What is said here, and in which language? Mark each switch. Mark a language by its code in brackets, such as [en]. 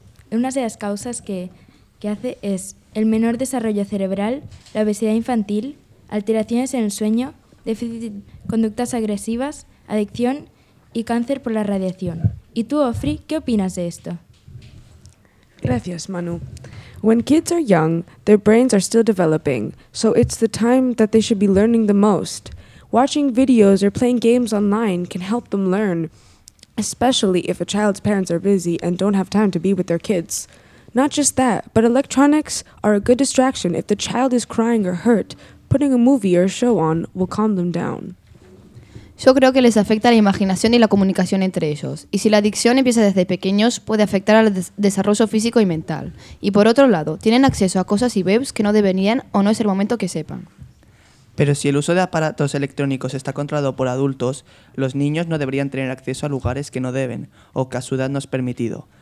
[es] Una de las causas que hace es el menor desarrollo cerebral, la obesidad infantil, alteraciones en el sueño, déficit, conductas agresivas, adicción y cáncer por la radiación. Y tú, Ofri, ¿qué opinas de esto? Gracias, Manu. [en] When kids are young, their brains are still developing, so it's the time that they should be learning the most. Watching videos or playing games online can help them learn, especially if a child's parents are busy and don't have time to be with their kids. Not just that, but electronics are a good distraction if the child is crying or hurt. Putting a movie or a show on will calm them down. [es] Yo creo que les afecta la imaginación y la comunicación entre ellos. Y si la adicción empieza desde pequeños, puede afectar al desarrollo físico y mental. Y por otro lado, tienen acceso a cosas y webs que no deberían o no es el momento que sepan. Pero si el uso de aparatos electrónicos está controlado por adultos, los niños no deberían tener acceso a lugares que no deben o que a su edad no es permitido.